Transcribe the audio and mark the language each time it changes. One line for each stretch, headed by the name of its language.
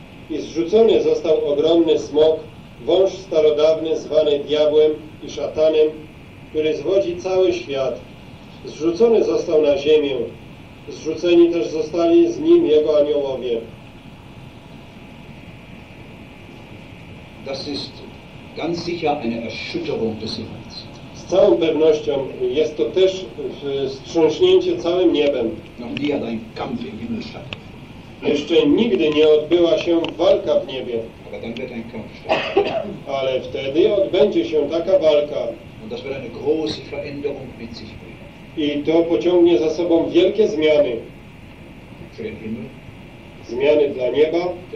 Polish: I zrzucony został ogromny smok, wąż starodawny zwany diabłem i szatanem, który zwodzi cały świat. Zrzucony został na ziemię. Zrzuceni też zostali z nim jego aniołowie.
German: Das ist ganz sicher eine Erschütterung des Himmels.
Polish: Z całą pewnością jest to też wstrząśnięcie całym niebem.
German: Noch nie hat ein Kampf im Himmel statt.
Polish: Jeszcze nigdy nie odbyła się walka w niebie.
German: Aber dann wird ein Kampf
Polish: ale wtedy odbędzie się taka walka.
German: Und das wird eine große Veränderung mit sich bringen.
Polish: I to pociągnie za sobą wielkie zmiany. Zmiany dla nieba.